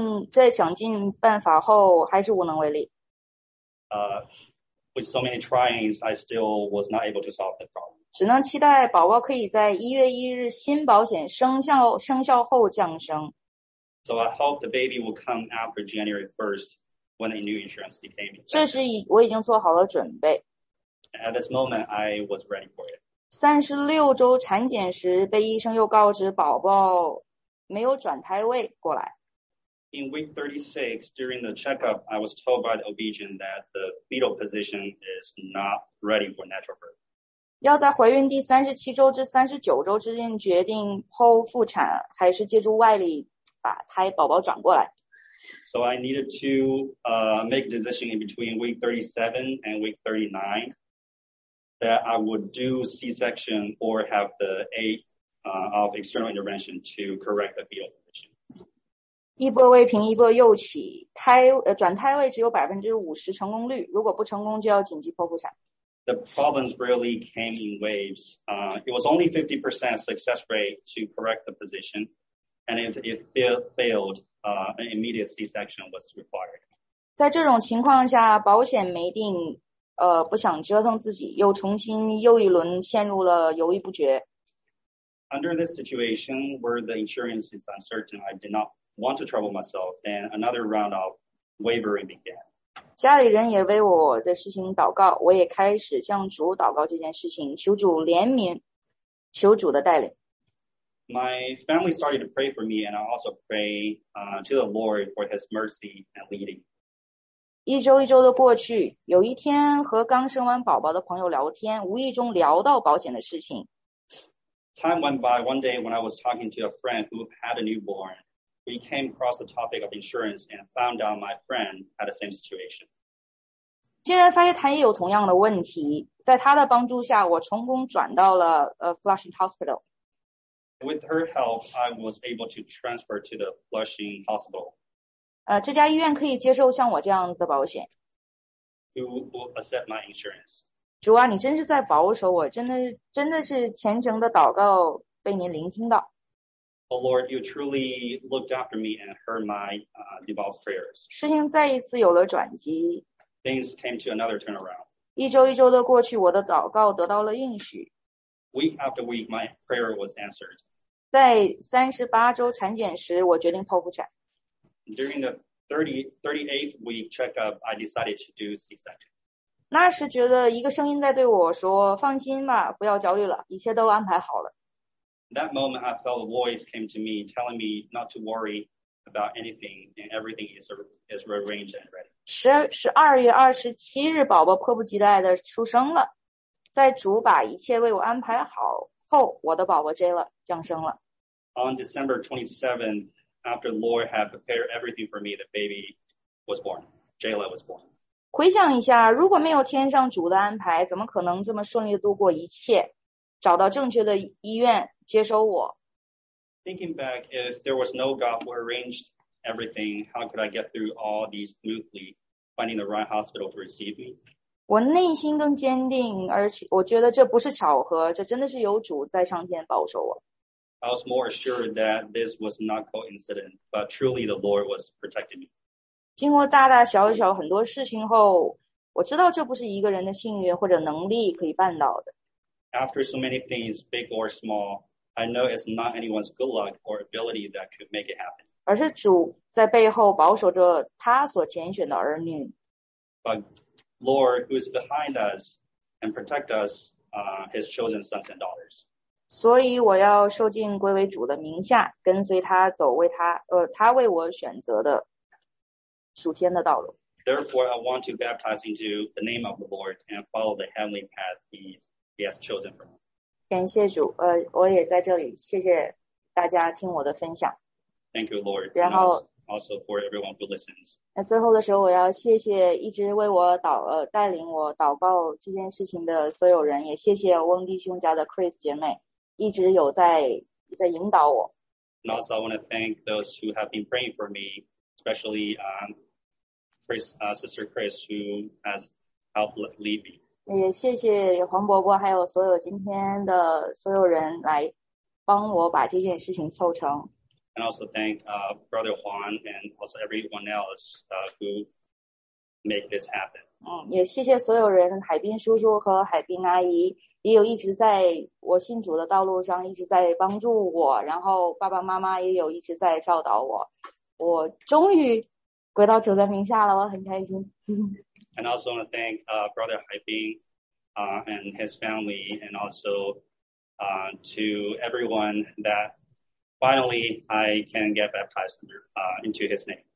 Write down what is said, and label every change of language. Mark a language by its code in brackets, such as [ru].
[zh] 在想尽办法后，还是无能为力。 [en] With so many tryings, I still was not able to solve the problem. [zh] 只能期待宝宝可以在1月1日新保险生效后降生。 [en] So I hope the baby will come after January 1st when a new insurance became effective. [zh] 这时我已经做好了准备。 [en] At this moment, I was ready for it. [zh] 36周产检时被医生又告知宝宝没有转胎位过来。 [en] In week 36, during the checkup, I was told by the OB-GYN that the fetal position is not ready for natural birth. [zh] 要在怀孕第37周至39周之间决定剖腹产还是借助外力把胎宝宝转过来。 [en] So I needed to make a decision in between week 37 and week 39 that I would do C-section or have the aid of external intervention to correct the fetal position. [zh] 一波未平一波又起转胎位只有 50% 成功率如果不成功就要紧急剖腹产。 [en] The problems really came in waves. It was only 50% success rate to correct the position. And if it failed, an immediate C-section was required. [zh] 在这种情况下保险没定不想折腾自己又重新又一轮陷入了犹豫不决。 [en] Under this situation where the insurance is uncertain, I did not want to trouble myself, then another round of wavering began. [zh] 家里人也为我的事情祷告，我也开始向主祷告这件事情，求主怜悯，求主的带领。 [en] My family started to pray for me, and I also pray to the Lord for His mercy and leading. [zh] 一周一周的过去，有一天和刚生完宝宝的朋友聊天，无意中聊到保险的事情。 [en] Time went by one day when I was talking to a friend who had a newborn. We came across the topic of insurance and found out my friend had the same situation. [zh] 竟然发现他也有同样的问题，在他的帮助下，我成功转到了Flushing Hospital. [en] With her help, I was able to transfer to the Flushing Hospital. [zh] 这家医院可以接受像我这样的保险。 [en] You will accept my insurance. [zh] 主啊，你真是在保守我，真的是虔诚的祷告被您聆听到。 [en] Oh Lord, you truly looked after me and heard my devout prayers. [zh] 事情再一次有了转机。 [en] Things came to another turnaround. [zh] 一周一周的过去，我的祷告得到了应许。 [en] Week after week, my prayer was answered. [zh] 在38周产检时，我决定剖腹产。 [en] During the 38th week checkup, I decided to do C-section. [zh] 那时觉得一个声音在对我说，放心吧，不要焦虑了，一切都安排好了。 [en] That moment, I felt a voice came to me telling me not to worry about anything and everything is rearranged and ready. [zh] 12月27日宝宝迫不及待地出生了。在主把一切为我安排好后我的宝宝 J 了降生了。 [en] On December 27th, after the Lord had prepared everything for me, the baby was born. Jayla was born. [zh] 回想一下如果没有天上主的安排怎么可能这么顺利地度过一切找到正确的医院接收我。 [en] Thinking back, if there was no God who arranged everything, how could I get through all these smoothly, finding the right hospital to receive me? [zh] 我内心更坚定，而且我觉得这不是巧合，这真的是有主在上天保守我。 [en] I was more assured that this was not coincident, but truly the Lord was protecting me. [zh] 经过大大小小很多事情后，我知道这不是一个人的幸运或者能力可以办到的。 [en] After so many things, big or small, I know it's not anyone's good luck or ability that could make it happen. [zh] 而是主在背后保守着他所拣选的儿女。 [en] But Lord, who is behind us and protect us, his chosen sons and daughters. [zh] 所以我要受尽归为主的名下，跟随他走为他为我选择的属天的道路。 [en] Therefore, I want to baptize into the name of the Lord and follow the heavenly path he has chosen for me. [zh] 感谢主，我也在这里谢谢大家听我的分享。 [en] Thank you, Lord. [zh] 然后 [en] also for everyone who listens. [zh] 那最后的时候，我要谢谢一直为我带领我祷告这件事情的所有人，也谢谢翁弟兄家的 Chris 姐妹一直有在引导我。 [en] And also, I want to thank those who have been praying for me, especially Sister Chris, who has helped lead me. [zh] 也谢谢黄伯伯还有所有今天的所有人来帮我把这件事情凑成。 [en] And also thank Brother Juan and also everyone else who make this happen. [zh] 也谢谢所有人，海滨叔叔和海滨阿姨，也有一直在我信主的道路上一直在帮助我，然后爸爸妈妈也有一直在教导我。我终于回到主的名下了，我很开心。 [en] And also want to thank Brother Haibing and his family, and also to everyone that finally I can get baptized into his name.